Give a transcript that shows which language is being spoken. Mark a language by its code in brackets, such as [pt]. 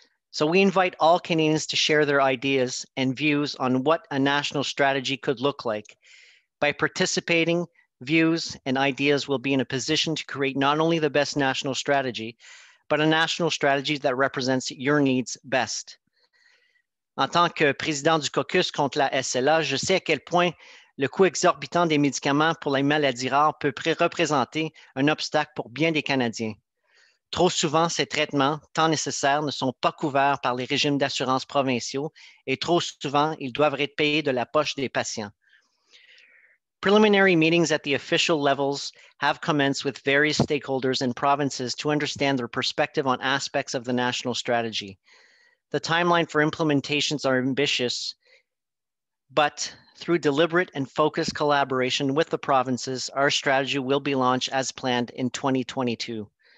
[en] So we invite all Canadians to share their ideas and views on what a national strategy could look like. By participating, views and ideas will be in a position to create not only the best national strategy, but a national strategy that represents your needs best. [fr] En tant que président du caucus contre la SLA, je sais à quel point le coût exorbitant des médicaments pour les maladies rares peut représenter un obstacle pour bien des Canadiens. Trop souvent, ces traitements, tant nécessaires, ne sont pas couverts par les régimes d'assurance provinciaux et trop souvent, ils doivent être payés de la poche des patients. [en] Preliminary meetings at the official levels have commenced with various stakeholders and provinces to understand their perspective on aspects of the national strategy. The timeline for implementations are ambitious, but through deliberate and focused collaboration with the provinces, our strategy will be launched as planned in 2022.